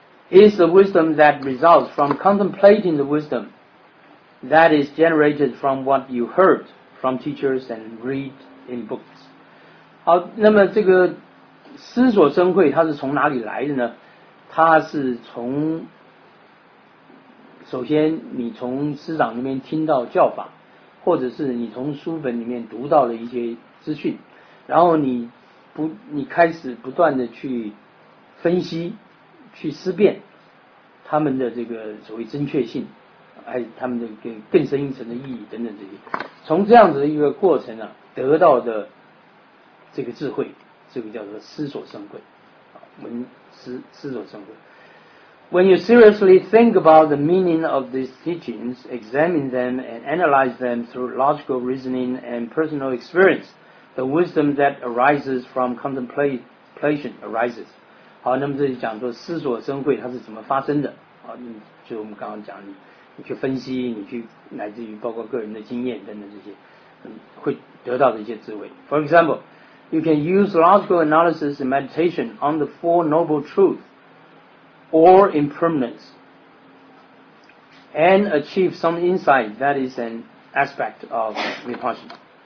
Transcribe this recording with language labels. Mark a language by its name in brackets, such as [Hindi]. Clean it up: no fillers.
[English] is the wisdom that results from contemplating the wisdom that is generated from what you heard from teachers and read in books。 [Chinese] 好，那么这个思所生慧它是从哪里来的呢？它是从首先你从师长那边听到教法，或者是你从书本里面读到了一些资讯，然后你开始不断的去分析、去思辨他们的这个所谓正确性，还有他们的更深一层的意义等等这些，从这样子的一个过程啊得到的这个智慧，这个叫做思所生慧，思所生慧。 [English] When you seriously think about the meaning of these teachings, examine them and analyze them through logical reasoning and personal experience, the wisdom that arises from contemplation arises. [Chinese] 好，那么这里讲说思所生慧它是怎么发生的？好，就我们刚刚讲的。你去分析，你去来自于包括个人的经验等等这些，会得到的一些智慧。 [English] For example, you can use logical analysis and meditation on the Four Noble Truths or impermanence and achieve some insight that is an aspect of Vipassana.